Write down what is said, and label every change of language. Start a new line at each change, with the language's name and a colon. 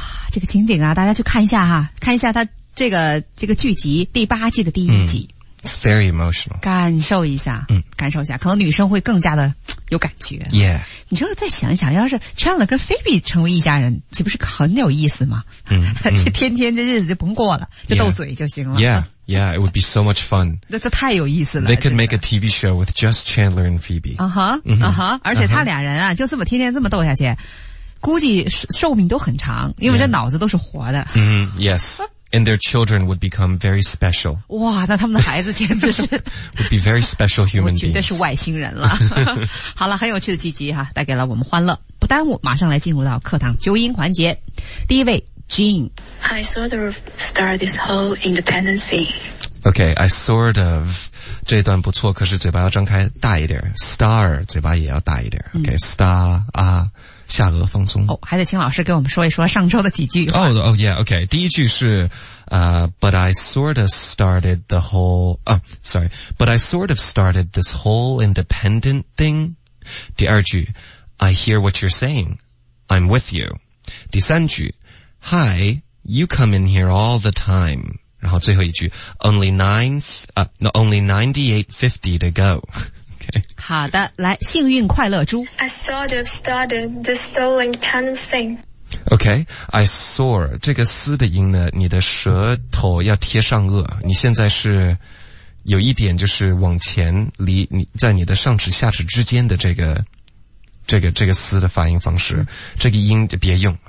Chinese: 这个情景啊，大家去看一下哈，看一下他这个剧集第八季的第一集。
English: It's very emotional.
Chinese: 感受一下，感受一下，可能女生会更加的有感觉。 Yeah. 你就是再想一想，要是 Chandler 跟 Phoebe 成为一家人，岂不是很有意思吗？这天天这日子就甭过了，就斗嘴就行了。
English: Yeah, it would be so much fun.
Chinese: 这太有意思了。
English: They could make a TV show with just Chandler and Phoebe.
Chinese: 而且他俩人啊，就这么天天这么斗下去，估计寿命都很长，因为这脑子都是活的。
English: Yes. And their children would become very special.
Chinese: 哇，那他们的孩子简直是
English: would be very special human beings.
Chinese: 我觉得是外星人了。好了，很有趣的剧集哈，带给了我们欢乐。不耽误，马上来进入到课堂纠音环节。第一位 ，Jean。
English: I sort of start this whole independent thing. Okay, I sort of.
Chinese: 这段不错，可是嘴巴要张开大一点。 Star， 嘴巴也要大一点。Okay, star 啊。下颚放松。哦，还得请老师给我们说一说上周的几句话。
English: Okay.
Chinese: 第一句是
English: but I sort of started the whole, but I sort of started this whole independent thing.
Chinese: 第二句
English: I hear what you're saying. I'm with you.
Chinese: 第三句
English: Hi, you come in here all the time.
Chinese: 然后最后一句
English: only 98.50 to go. Okay.
Chinese: 好的，来，幸运快乐猪。
English: I sort of started the soul independent thing. Okay, I sore
Chinese: 这个嘶的音呢，你的舌头要贴上颚，你现在是有一点就是往前离你在你的上齿下齿之间的这个嘶的发音方式，这个音就别用。